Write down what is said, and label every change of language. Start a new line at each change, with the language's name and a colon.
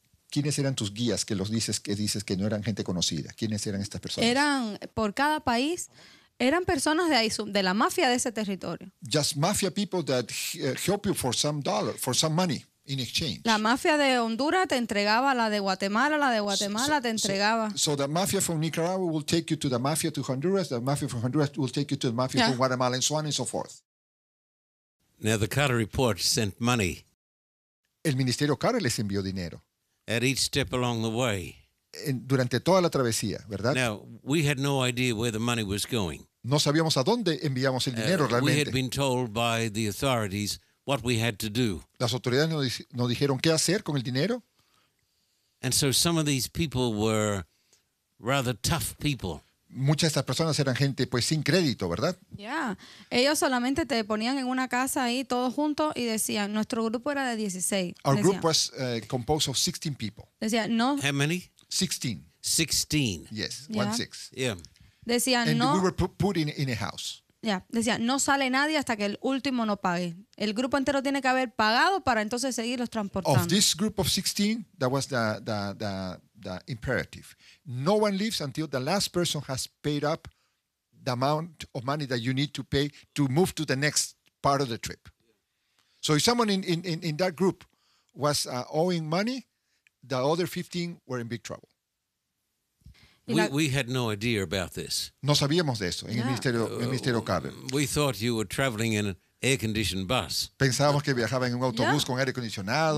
Spanish: ¿Quiénes eran tus guías que los dices que dices que no eran gente conocida? ¿Quiénes eran estas personas? Eran por cada país, eran personas de ahí, de la mafia de ese territorio.
English: Just mafia people that help you for some dollar, for some money in exchange.
Spanish: La mafia de Honduras te entregaba, la de Guatemala te entregaba.
English: So the mafia from Nicaragua will take you to the mafia to Honduras, the mafia from Honduras will take you to the mafia from Guatemala and so on and so forth. Now the Carter Report sent money.
Spanish: El Ministerio Carter les envió dinero.
English: At each step along the way.
Spanish: Durante toda la travesía, ¿verdad?
English: Now, we had no idea where the money was going.
Spanish: No sabíamos a dónde enviamos el dinero realmente.
English: We had been told by the authorities what we had to do.
Spanish: Las autoridades nos dijeron qué hacer con el dinero.
English: And so some of these people were rather tough people.
Spanish: Muchas de estas personas eran gente pues sin crédito, ¿verdad?
English: Yeah.
Spanish: Ellos solamente te ponían en una casa ahí todos juntos y decían, nuestro grupo era de 16.
English: Our group was composed of 16 people.
Spanish: Decía, no.
English: How many? 16. 16. Yes, 1-6. Yeah.
Spanish: Decían,
English: and
Spanish: no.
English: And we were put in a house. Yeah.
Spanish: Decían, no sale nadie hasta que el último no pague. El grupo entero tiene que haber pagado para entonces seguirlos transportando.
English: Of this group of 16, that was the imperative. No one leaves until the last person has paid up the amount of money that you need to pay to move to the next part of the trip. So if someone in that group was owing money, the other 15 were in big trouble. We had no idea about this.
Spanish: No sabíamos de eso en el Ministerio Carter.
English: We thought you were traveling in an air-conditioned bus.
Spanish: Pensábamos que viajaba en un autobús con aire acondicionado.